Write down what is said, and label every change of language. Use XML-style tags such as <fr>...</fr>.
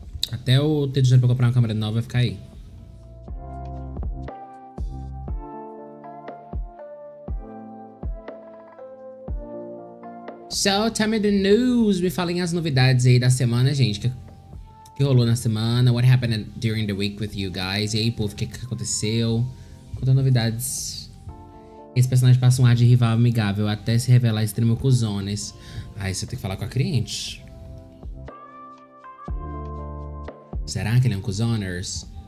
<pt>Até eu ter dinheiro pra comprar uma câmera nova vai ficar aí.</pt> <en>So, tell me the news.</en> <pt>Me falem as novidades aí da semana, gente. O que rolou na semana?</pt> <en>What happened during the week with you guys?</en> <pt>E aí, povo, o que aconteceu? Quantas novidades? Esse personagem passa um ar de rival amigável até se revelar extremo cuzones. Aí você tem que falar com a cliente. Será que ele é um cuzoners?</pt>